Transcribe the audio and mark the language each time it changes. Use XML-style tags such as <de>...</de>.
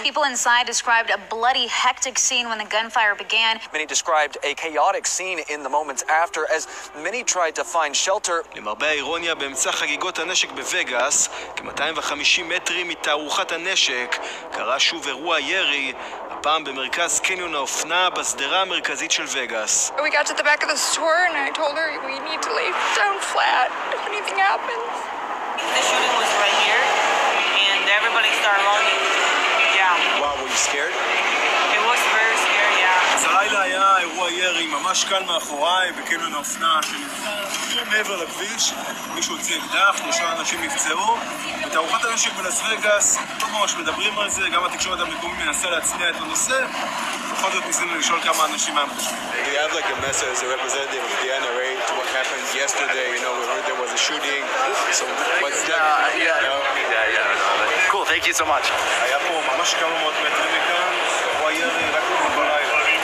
<en>People inside described a bloody, hectic scene when the gunfire began. Many described a chaotic scene in the moments after as many tried to find shelter.</en> <he>למרבה האירוניה, באמצע חגיגות הנשק בווגאס, כ-250 מטרים מתערוכת הנשק, קרה שוב אירוע ירי, הפעם במרכז קניון האופנה בסדרה המרכזית של וגאס.</he> <en>We got to the back of the store and I told her we need to lay down flat if anything happens. The shooting was right here and everybody started running. Yeah. Wow, were you scared? It was very scary, yeah.</en> <he>אז הלילה היה אירוע ירי ממש כאן מאחוריי בקניון האופנה מעבר לכביש, מישהו הוציא אקדח, שלושה אנשים נפצעו. את ארוחת הנשק בלס וגאס, לא ממש מדברים על זה, גם התקשורת המקומי מנסה להצניע את הנושא. בכל זאת ניסינו לשאול כמה אנשים מהם חושבים.</he> <en>Do you have like a message as a representative of the NRA to what happened yesterday? You know, we heard there was a shooting. So what's that? Cool, thank you so much.</en> <he>היה פה ממש כמה מאות מטרים מכאן, אירוע ירי רק כמו בלילה.</he>